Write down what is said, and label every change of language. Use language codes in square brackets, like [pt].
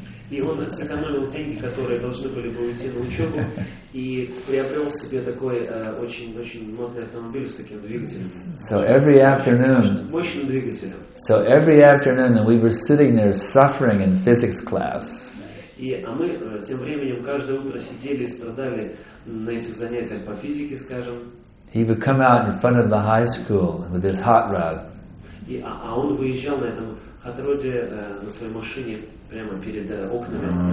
[ru] И он сэкономил деньги, которые должны были бы уйти на учебу, и приобрел себе такой очень-очень модный автомобиль с таким двигателем. [en] So every afternoon. [ru] Мощным двигателем. [en] So every afternoon we were sitting there suffering in physics class. [ru] И а мы тем временем каждое утро сидели и страдали на этих занятиях по физике, скажем. [en] He would come out in front of the high school with his hot rod. [ru] И а он выезжал на этом hot rod'е на своей машине прямо перед окнами